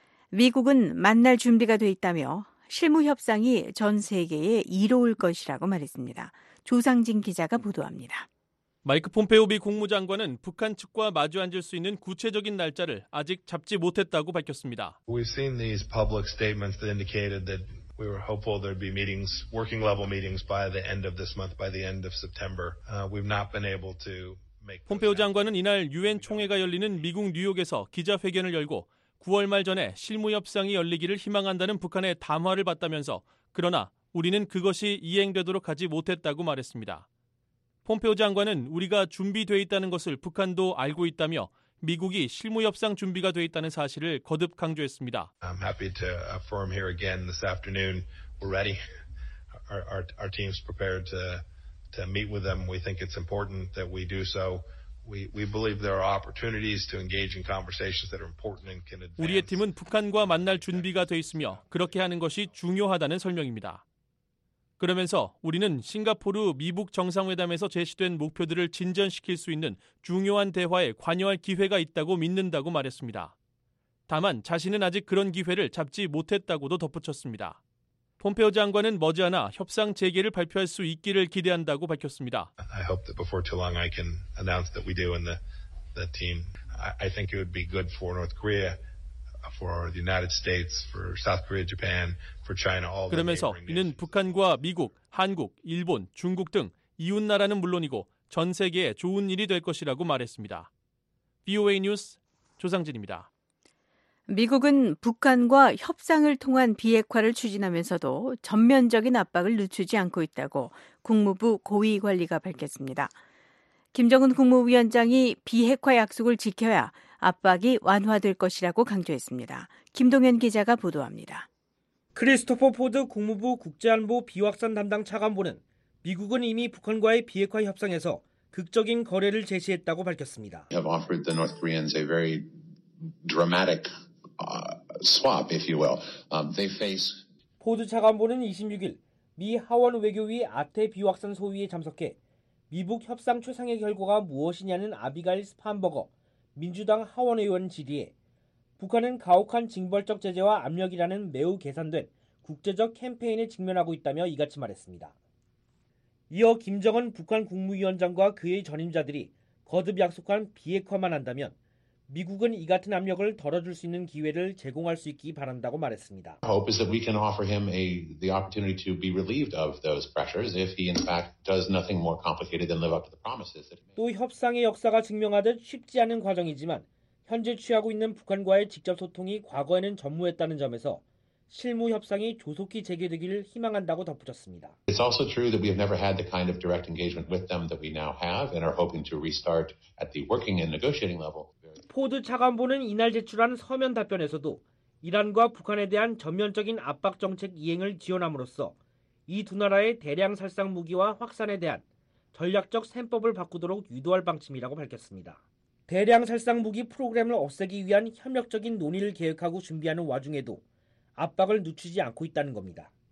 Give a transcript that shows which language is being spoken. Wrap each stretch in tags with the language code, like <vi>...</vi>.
<ko>미국은 만날 준비가 돼 있다며 실무 협상이 전 세계에 이로울 것이라고 말했습니다. 조상진 기자가 보도합니다. 마이크 폼페오 미 국무장관은 북한 측과 마주 앉을 수 있는 구체적인 날짜를 아직 잡지 못했다고 밝혔습니다.</ko> <en>We've seen these public statements that indicated that we were hopeful there'd be meetings, working level meetings by the end of this month, by the end of September. We've not been able to make.</en> <ko>폼페오 장관은 이날 UN 총회가 열리는 미국 뉴욕에서 기자회견을 열고 9월 말 전에 실무 협상이 열리기를 희망한다는 북한의 담화를 받다면서 그러나 우리는 그것이 이행되도록 하지 못했다고 말했습니다. 폼페오 장관은 우리가 준비되어 있다는 것을 북한도 알고 있다며 미국이 실무 협상 준비가 되어 있다는 사실을 거듭 강조했습니다.</ko> <en>I'm happy to affirm here again this afternoon we're ready. Our team's prepared to meet with them. We think it's important that we do so. We believe there are opportunities to engage in conversations that are important and can advance.</en> <ko>우리의 팀은 북한과 만날 준비가 되어 있으며 그렇게 하는 것이 중요하다는 설명입니다. 그러면서 우리는 싱가포르 미북 정상회담에서 제시된 목표들을 진전시킬 수 있는 중요한 대화에 관여할 기회가 있다고 믿는다고 말했습니다. 다만 자신은 아직 그런 기회를 잡지 못했다고도 덧붙였습니다. 폼페오 장관은 머지않아 협상 재개를 발표할 수 있기를 기대한다고 밝혔습니다.</ko> <en>I hope that before too long I can announce that we do in the team. I think it would be good for North Korea. For the United States, for South Korea, Japan, for China, all the</en> <ko>그러면서 이는 북한과 미국, 한국, 일본, 중국 등 이웃 나라는 물론이고 전 세계에 좋은 일이 될 것이라고 말했습니다. VOA 뉴스 조상진입니다. 미국은 북한과 협상을 통한 비핵화를 추진하면서도 전면적인 압박을 늦추지 않고 있다고 국무부 고위 관리가 밝혔습니다. 김정은 국무위원장이 비핵화 약속을 지켜야 압박이 완화될 것이라고 강조했습니다. 김동현 기자가 보도합니다. 크리스토퍼 포드 국무부 국제안보 비확산 담당 차관보는 미국은 이미 북한과의 비핵화 협상에서 극적인 거래를 제시했다고 밝혔습니다.</ko> <en>We have offered the North Koreans a very dramatic swap, if you will. They face.</en> <ko>포드 차관보는 26일 미 하원 외교위 아태 비확산 소위에 참석해 미북 협상 최상의 결과가 무엇이냐는 아비갈 스판버거 민주당 하원 의원 질의에 북한은 가혹한 징벌적 제재와 압력이라는 매우 계산된 국제적 캠페인에 직면하고 있다며 이같이 말했습니다. 이어 김정은 북한 국무위원장과 그의 전임자들이 거듭 약속한 비핵화만 한다면 미국은 이 같은 압력을 덜어줄 수 있는 기회를 제공할 수 있기 바란다고 말했습니다.</ko> <en>Hope is that we can offer him the opportunity to be relieved of those pressures if he in fact does nothing more complicated than live up to the promises that he made.</en> <ko>또 협상의 역사가 증명하듯 쉽지 않은 과정이지만 현재 취하고 있는 북한과의 직접 소통이 과거에는 전무했다는 점에서 실무 협상이 조속히 재개되기를 희망한다고 덧붙였습니다.</ko> <en>It's also true that we have never had the kind of direct engagement with them that we now have and are hoping to restart at the working and negotiating level.</en> <ko>포드 차관보는 이날 제출한 서면 답변에서도 이란과 북한에 대한 전면적인 압박 정책 이행을 지원함으로써 이 두 나라의 대량 살상 무기와 확산에 대한 전략적 셈법을 바꾸도록 유도할 방침이라고 밝혔습니다. 대량 살상 무기 프로그램을 없애기 위한 협력적인 논의를 계획하고 준비하는 와중에도 압박을 늦추지 않고 있다는 겁니다.</ko>